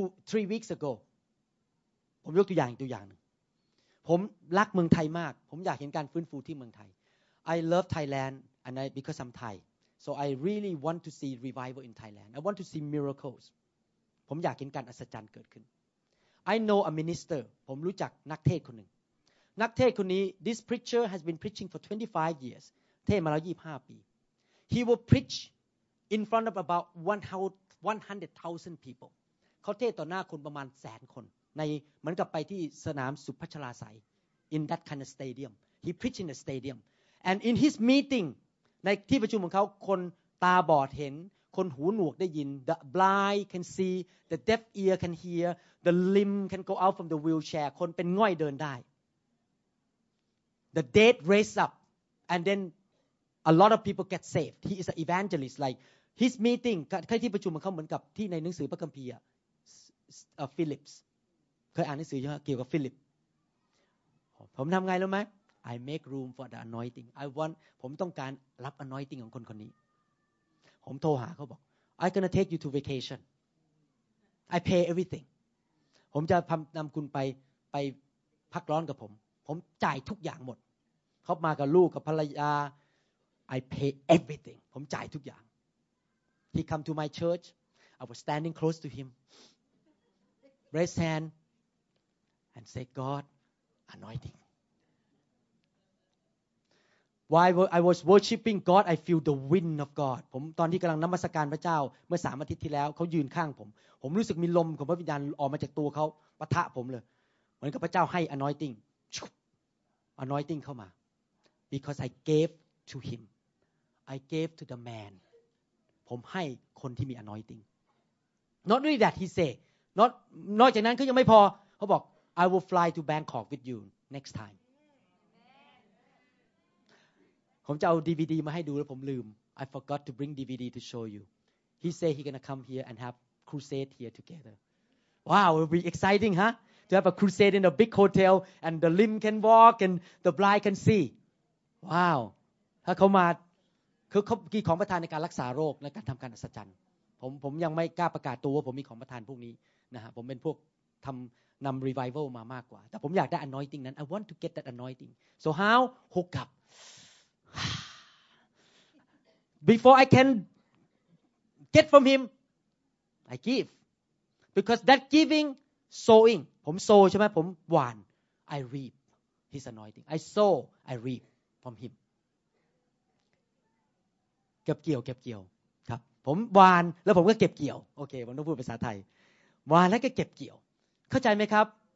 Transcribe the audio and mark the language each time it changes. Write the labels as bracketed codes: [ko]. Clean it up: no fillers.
[en] three weeks ago [th] ผมยกตัวอย่างนึงผมรักเมืองไทยมากผมอยากเห็นการฟื้นฟูที่เมืองไทย [en] I love Thailand and I because I'm ThaiSo I really want to see revival in Thailand. I want to see miracles. [th] ผมอยากเห็นการอัศจรรย์เกิดขึ้น [en] I know a minister. [th] ผมรู้จักนักเทศคนหนึ่ง นักเทศคนนี้ [en] this preacher has been preaching for 25 years. [th] เทศมาแล้ว 25 ปี [en] He will preach in front of about 100,000 people. [th] เขาเทศต่อหน้าคนประมาณ 100,000 คนในเหมือนกับไปที่สนามสุพัชราศัย [en] in that kind of stadium. He preach in a stadium. And in his meeting [th] ในที่ประชุมของเขาคนตาบอดเห็นคนหูหนวกได้ยิน [en] the blind can see the deaf ear can hear the limb can go out from the wheelchair [th] คนเป็นง่อยเดินได้ [en] the dead raise up and then a lot of people get saved he is an evangelist like his meeting [th] ที่ประชุมของเขาเหมือนกับที่ในหนังสือพระคัมภีร์ [en] Philip's [th] เคยอ่านหนังสือเกี่ยวกับ Philip ผมทำไงรู้ไหม [en] I make room for the anointing. I want [th] ผมต้องการรับ anointing ของคนคนนี้ผมโทรหาเขาบอก [en] I'm gonna take you to vacation. I pay everything. [th] ผมจะนำคุณไปพักร้อนกับผมผมจ่ายทุกอย่างหมดเขามากับลูกกับภรรยา [en] I pay everything. [th] ผมจ่ายทุกอย่าง [en] He come to my church. I was standing close to him. Raise hand and say God anointing. While I was worshiping God, I feel the wind of God. [th] ผมตอนที่กำลังนมัสการพระเจ้าเมื่อ3อาทิตย์ที่แล้วเขายืนข้างผมผมรู้สึกมีลมของพระวิญญาณออกมาจากตัวเขาปะทะผมเลยเหมือนกับพระเจ้าให้ anointing [en] anointing เข้ามา because I gave to him I gave to the man [th] ผมให้คนที่มี anointing [en] not only that he say [th] นอกจากนั้นก็ยังไม่พอเขาบอก [en] I will fly to Bangkok with you next time [th] ผมจะเอา DVD มาให้ดูแล้วผมลืม [en] I forgot to bring DVD to show you. He say he gonna come here and have crusade here together. Wow, it will be exciting, huh? To have a crusade in a big hotel and the limb can walk and the blind can see. Wow. [th] ถ้าเขามาคือเขามีของประทานในการรักษาโรคและการทำการอัศจรรย์ผมยังไม่กล้าประกาศตัวว่าผมมีของประทานพวกนี้นะฮะผมเป็นพวกทำนำ revival มามากกว่าแต่ผมอยากได้ anointing นั้น [en] I want to get that anointing. So how hook upBefore I can get from him, I give. Because that giving, sowing. [th] ผม sow ใช่ไหม ผมหว่าน. [en] I reap his anointing. I sow, I reap from him. [th] เก็บเกี่ยว เก็บเกี่ยว. ครับ. ผมหว่าน แล้วผมก็เก็บเกี่ยว. โอเค. ผมต้องพูดภาษาไทย. หว่าน แล้วก็เก็บเกี่ยว. เข้าใจไหมครับ?